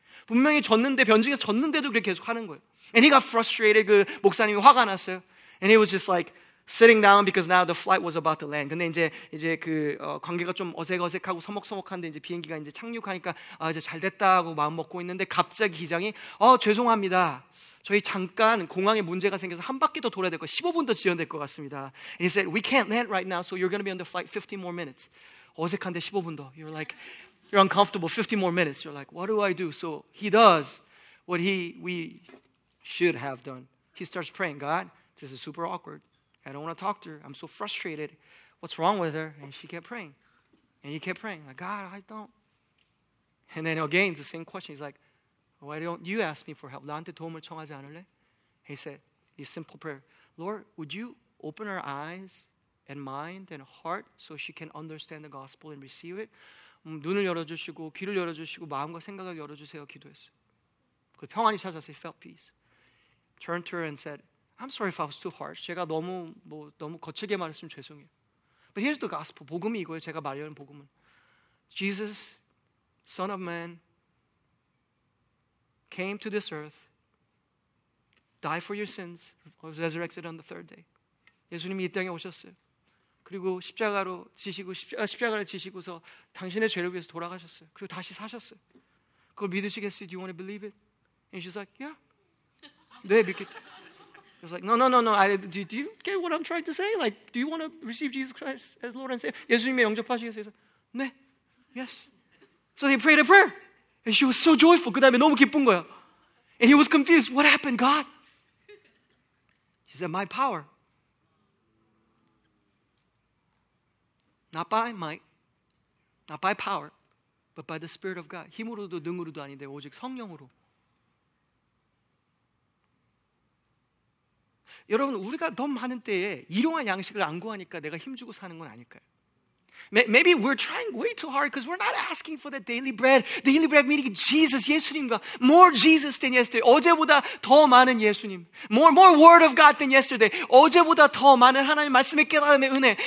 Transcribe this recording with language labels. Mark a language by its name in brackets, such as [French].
[Korean] 분명히 졌는데, 변증에서 졌는데도 그렇게 계속 하는 거예요. [English] And he got frustrated. [Korean] 그 목사님이 화가 났어요. [English] And he was just like sitting down because now the flight was about to land. [Korean] 근데 이제 그 관계가 좀 어색어색하고 서먹서먹한데 이제 비행기가 이제 착륙하니까 아 이제 잘 됐다고 마음 먹고 있는데 갑자기 기장이 죄송합니다. 저희 잠깐 공항에 문제가 생겨서 한 바퀴 더 돌아야 될 거 15분 더 지연될 것 같습니다. [English] And he said, "We can't land right now, so you're going to be on the flight 50 more minutes." [Korean] 어색한데 15분 더. [English] You're like, you're uncomfortable. 50 more minutes. You're like, what do I do? So he does what we should have done. He starts praying, God, this is super awkward. I don't want to talk to her. I'm so frustrated. What's wrong with her? And she kept praying. And he kept praying. Like, God, I don't. And then again, the same question. He's like, why don't you ask me for help? [Korean] 나한테 도움을 청하지 않을래? [English] He said, this simple prayer. Lord, would you open her eyes and mind and heart so she can understand the gospel and receive it? [Korean] 눈을 열어주시고 귀를 열어주시고 마음과 생각을 열어주세요. 기도했어요. 그 평안이 찾아서 [English] he felt peace. Turned to her and said, I'm sorry if I was too harsh. [Korean] 제가 너무 뭐 너무 거칠게 말했으면 죄송해요. [English] But here's the gospel. [Korean] 복음이 이거예요. 제가 말하는 복음은 [English] Jesus, Son of Man, came to this earth, died for your sins, was resurrected on the third day. [Korean] 예수님이 이 땅에 오셨어요. 그리고 십자가로 지시고 십자가를 지시고서 당신의 죄를 위해서 돌아가셨어요. 그리고 다시 사셨어요. 그걸 믿으시겠어요? [English] Do you want to believe it? And she's like, yeah. [Korean] 네, 믿겠다. [English] I was like, no. Do you get what I'm trying to say? Like, do you want to receive Jesus Christ as Lord and Savior? [Korean] 예수님이 영접하시겠어요? 네, [English] yes. So they prayed a prayer. And she was so joyful. [Korean] 그 다음에 너무 기쁜 거야. [English] And he was confused. What happened, God? She said, my power. Not by might, not by power, but by the Spirit of God. [Korean] 힘으로도 능으로도 아닌데 오직 성령으로. 여러분, 우리가 너무 많은 때에 일용할 양식을 안 구하니까 내가 힘주고 사는 건 아닐까요? [English] Maybe we're trying way too hard because we're not asking for the daily bread. Daily bread meaning Jesus, 예수님과 more Jesus than yesterday. [Korean] 어제보다 더 많은 예수님. [English] More word of God than yesterday. [Korean] 어제보다 더 많은 하나님 말씀의 깨달음의 은혜.